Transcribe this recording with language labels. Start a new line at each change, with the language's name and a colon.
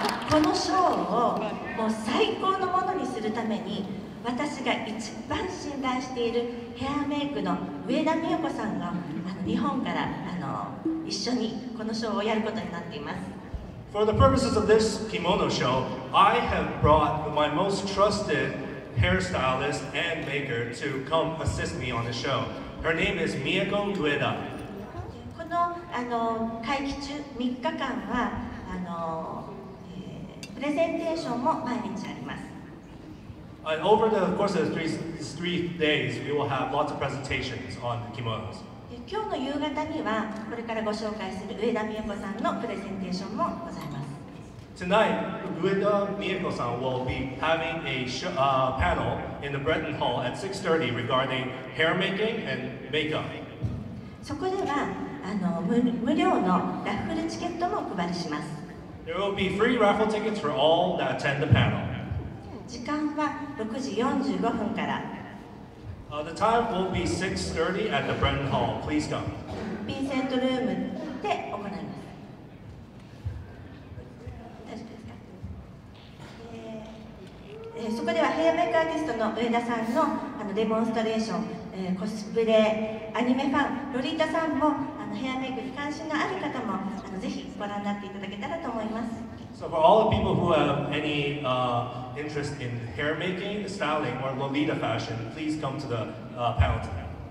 Japanese: このショーをもう最高のものにするために私が一番信頼しているヘアメイクの上田美代子さんが日本から一緒にこのショーをやることになっています。
English: For the purposes of this kimono show, I have brought my most trusted hairstylist and maker to come assist me on the show. Her name is Miyako Ueda.
Japanese: この会期中3日間はプレゼンテーションも毎日あります。
English: Over the course of three days, we will have lots of presentations on kimonos.
Japanese: 今日の夕方には、これからご紹介する上田美代子さんのプレゼンテーションもございます。
English: Tonight, 上田美代子さん will be having a panel in the Breton Hall at 6:30 regarding hair making and makeup.
Japanese: そこでは、無料のラッフルチケットもお配りします。
English: There will be free raffle tickets for all that attend the panel.
Japanese: 時間は6時45分から。
English: The time will be 6:30 at the Breton Hall. Please come.
Japanese: ビンセントルームで行います。大丈夫ですか？そこではヘアメイクアーティストの上田さんのデモンストレーション、コスプレ、アニメファン、ロリータさんもヘアメイクに関心のある方もぜひご覧になっていただけたらと思います。
English: So for all the people who have any interest in hair making, styling, or Lolita fashion, please come to the panel tonight.